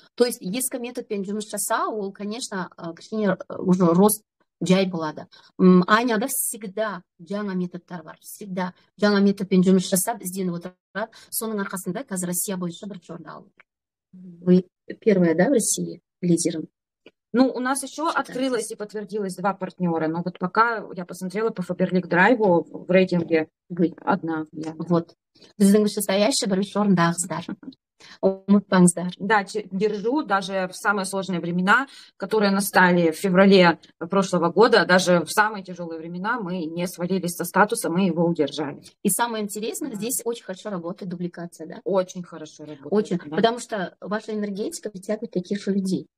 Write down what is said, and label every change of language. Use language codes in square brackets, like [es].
[ru] То есть если [kk] метод пен жұмыс жасау ол конечно кішкене уже рост жай болады Аняда всегда жаңа методтар бар всегда жаңа методпен жұмыс жасап ізденіп отырады соның арқасында қазір Россия бойынша бірінші орын алып [ru] вы первая да в России лидером Ну, у нас еще открылось считаетесь и подтвердилось 2 партнера, но вот пока я посмотрела по Фаберлик Драйву в рейтинге вы одна, я, [kk] вот біздің вышестоящий бірінші орындағы қыздар. [ru] да. Да, держу даже в самые сложные времена, которые настали в феврале прошлого года, даже в самые тяжелые времена мы не свалились со статуса, мы его удержали. [kk] Умытпаңыздар. [ru] И самое интересное, здесь очень хорошо работает дубликация, да? Очень хорошо работает, Очень. да. Потому что ваша энергетика притягивает таких же людей.